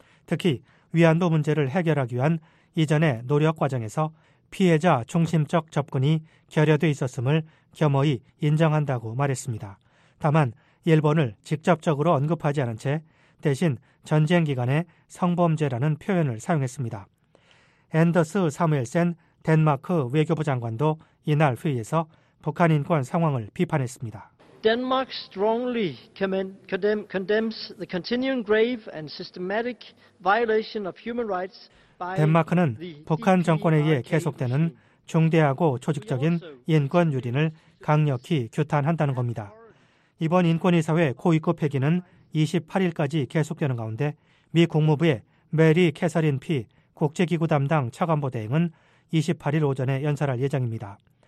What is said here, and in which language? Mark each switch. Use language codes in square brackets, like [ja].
[ko] 특히 위안부 문제를 해결하기 위한 이전의 노력 과정에서 피해자 중심적 접근이 결여돼 있었음을 겸허히 인정한다고 말했습니다. 다만 일본을 직접적으로 언급하지 않은 채 대신 전쟁 기간의 성범죄라는 표현을 사용했습니다. 앤더스 사무엘센 덴마크 외교부 장관도 이날 회의에서 북한 인권 상황을 비판했습니다. [en] Denmark strongly condemns the continuing grave and systematic violation of human rights. [ko] 덴마크는 북한 정권에 의해 계속되는 중대하고 조직적인 인권 유린을 강력히 규탄한다는 겁니다. 이번 인권이사회 고위급 회기는 28일까지 계속되는 가운데 미 국무부의 메리 캐서린 피 국제기구 담당 차관보 대행은 28일 오전에 연설할 예정입니다.